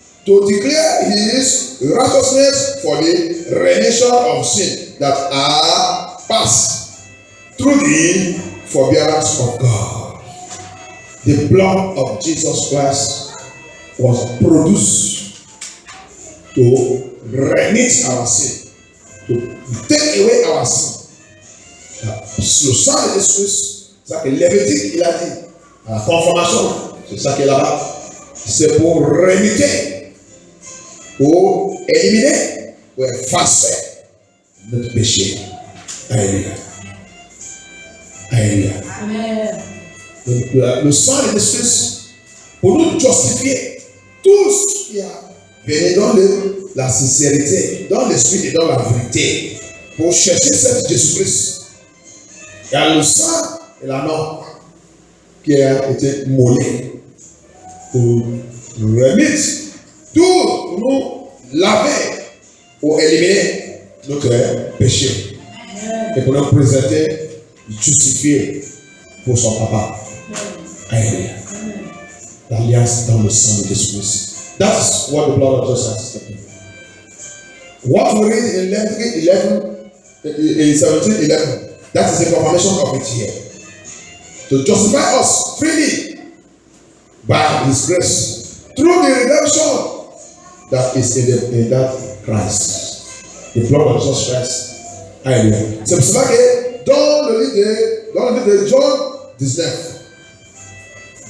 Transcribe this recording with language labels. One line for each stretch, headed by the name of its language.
English: to declare his righteousness for the remission of sin that are past through the forbearance of God. The blood of Jesus Christ was produced to remit our sin, to take away our sin.
French: Le sang de Jésus, c'est ça que Lévitique il a dit à la confirmation, c'est ça qui est là-bas. C'est pour remiter, pour éliminer, pour effacer notre péché. Alléluia. Amen. Le sang de Jésus pour nous justifier tous qui a venu dans la sincérité, dans l'esprit et dans la vérité pour chercher cette Jésus-Christ. Il y a le sang et la mort qui a été moulé pour nous remettre tout, pour nous laver, pour éliminer notre péché. Amen. Et pour nous présenter justifié pour son papa. Alléluia. L'alliance dans le sang de Jésus-Christ.
English: That's what the blood of Jesus has taken. What we read in Leviticus 17:11, that is the confirmation of it here. To justify us freely by his grace through the redemption that is in that Christ. The blood of Jesus Christ. Alléluia.
French: C'est pour cela que dans le livre de John 19,